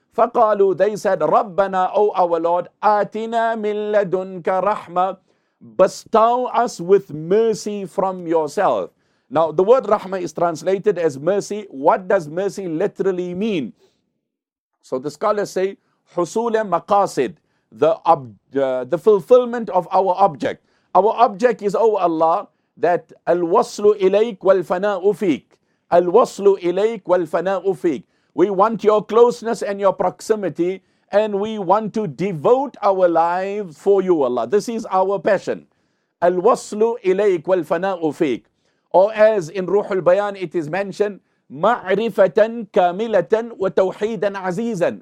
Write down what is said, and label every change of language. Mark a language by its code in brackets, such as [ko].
[ar] فَقَالُوا, [en] they said, [ar] رَبَّنَا, [en] O our Lord, [ar] آتِنَا مِنْ لَدُنْكَ رَحْمَةً, [en] bestow us with mercy from yourself. Now, the word rahmah is translated as mercy. What does mercy literally mean? So the scholars say, [ar] حُصُولَ مَقَاسِدْ, [en] the fulfillment of our object. Our object is, O Allah, that [ar] الْوَصْلُ إِلَيْكَ وَالْفَنَاءُ فِيكَ, الْوَصْلُ إِلَيْكَ وَالْفَنَاءُ فِيكَ. [en] We want your closeness and your proximity, and we want to devote our lives for you, Allah. This is our passion. [ar] Al-waslu ilayk wal-fana'u fiqh. [en] Or as in Ruhul Bayan it is mentioned, [ar] ma'rifatan kamilatan wa tawheedan azizan.